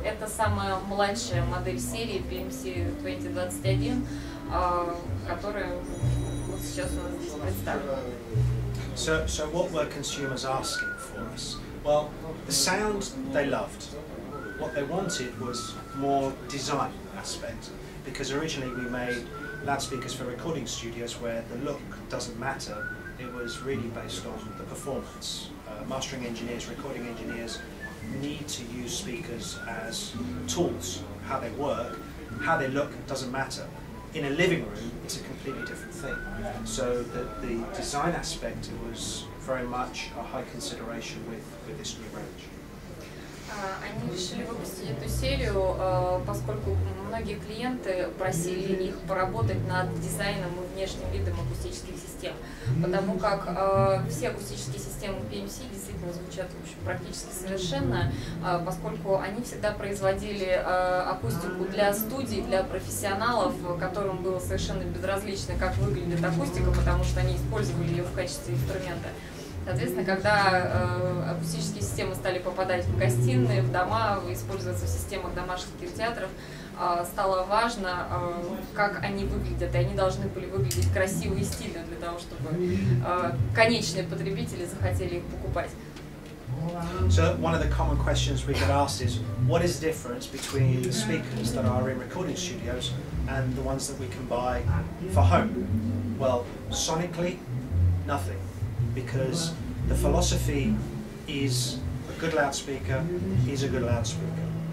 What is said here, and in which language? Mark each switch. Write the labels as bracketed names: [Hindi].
[Russian] Это самая младшая модель серии PMC 2021, которая вот сейчас у нас здесь представлена. [English] So what were consumers asking for us? Well, the sound they loved. What they wanted was more design aspect, because originally we made loudspeakers for recording studios where the look doesn't matter, it was really based on the performance. Mastering engineers, recording engineers need to use speakers as tools, how they work, how they look doesn't matter. In a living room, it's a completely different thing. So the design aspect, it was very much a high consideration with this new range. [Russian] Они решили выпустить эту серию, поскольку многие клиенты просили их поработать над дизайном и внешним видом акустических систем, потому как все акустические системы PMC действительно звучат, в общем, практически совершенно, поскольку они всегда производили акустику для студий, для профессионалов, которым было совершенно безразлично, как выглядит акустика, потому что они использовали ее в качестве инструмента. Соответственно, когда акустические системы стали попадать в гостиные, в дома, использоваться в системах домашних кинотеатров, стало важно, как они выглядят, и они должны были выглядеть красиво и стильно для того, чтобы конечные потребители захотели их покупать. [English] So one of the common questions we get asked is, what is the difference between the speakers that are in recording studios and the ones that we can buy for home? Well, sonically, nothing. Because the philosophy is a good loudspeaker is a good loudspeaker.